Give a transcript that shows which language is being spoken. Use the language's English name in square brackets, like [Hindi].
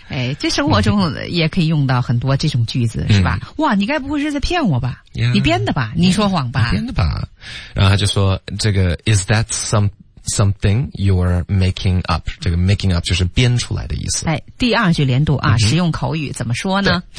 [Chinese] 哎，这生活中也可以用到很多这种句子，是吧？哇，你该不会是在骗我吧？ [English] Yeah, [Chinese] 你编的吧？你说谎吧？你编的吧？然后他就说：“这个 [English] is that something you're making up？” [Chinese] 这个 making up 就是编出来的意思。哎，第二句连读啊，嗯、实用口语怎么说呢？